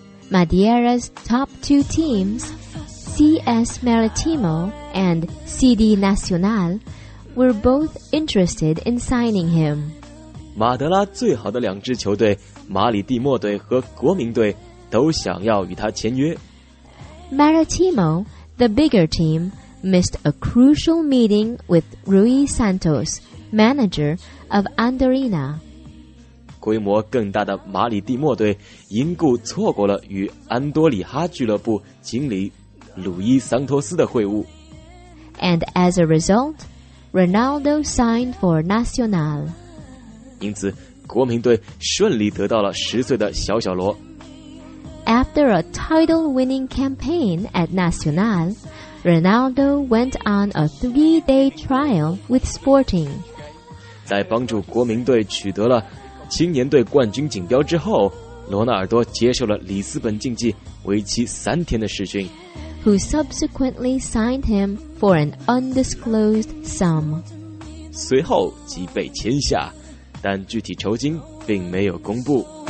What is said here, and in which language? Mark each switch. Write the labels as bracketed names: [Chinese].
[English] Madeira's top two teams, CS Marítimo and CD Nacional, were both interested in signing him. [Chinese] 马德拉最好的两支球队马里蒂莫队和国民队都想要与他签约。 [English] Marítimo, the bigger team, missed a crucial meeting with Rui Santos, manager of Andorinha. [Chinese] 规模更大的马里蒂莫队因故错过了与安多里哈俱乐部经理鲁伊桑托斯的会晤。 [English] And as a result, Ronaldo signed for Nacional. [Chinese] 因此，国民队顺利得到了十岁的小小罗。 [English] After a title-winning campaign at Nacional, Ronaldo went on a three-day trial with Sporting. [Chinese] 在帮助国民队取得了青年队冠军锦标之后，罗纳尔多接受了里斯本竞技为期三天的试训。 [English] Who subsequently signed him for an undisclosed sum. [Chinese] 随后即被签下，但具体酬金并没有公布。